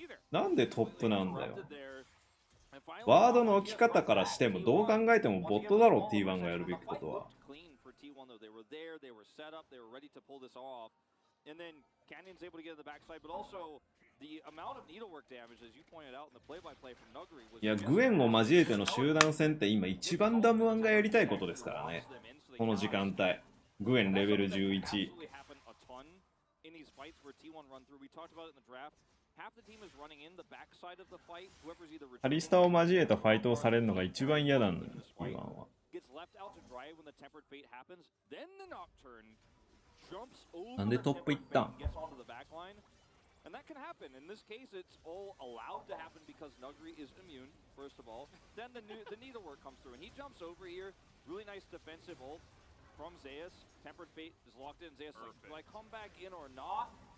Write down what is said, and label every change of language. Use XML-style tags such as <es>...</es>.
<ja>なんでトップなんだよ。ワードの置き方からしても、どう考えてもボットだろう、T1 がやるべきことは。</ja> <en>T1 though they were there, they were set up, they were ready to pull this off, and then Canyon's able to get to the backside, but also the amount of needlework damage as you pointed out in the play-by-play from Nuggery was.</en> <ja>Yeah, Gwen を交えての集団戦って今一番ダムアンがやりたいことですからね。この時間帯、Gwenレベル11。</ja> <en>Absolutely happened a ton in these fights where T1 run through. We talked about it in the draft. Half the team is running in the backside of the fight. Whoever's either.</en> <ja>カリスタを交えたファイトをされるのが一番嫌なんです。今は。</ja> <en>Gets left out to dry when the tempered fate happens. Then the nocturne jumps over.</en> <ja>なんでトップ行ったん?</ja> <en>Gets onto the back line, and that can happen. In this case, it's all allowed to happen because Nuggery is immune. First of all, then the needlework comes through, and he jumps over here. Really nice defensive ult from Zeus. Tempered fate is locked in. Zeus like, do I come back in or not?</en>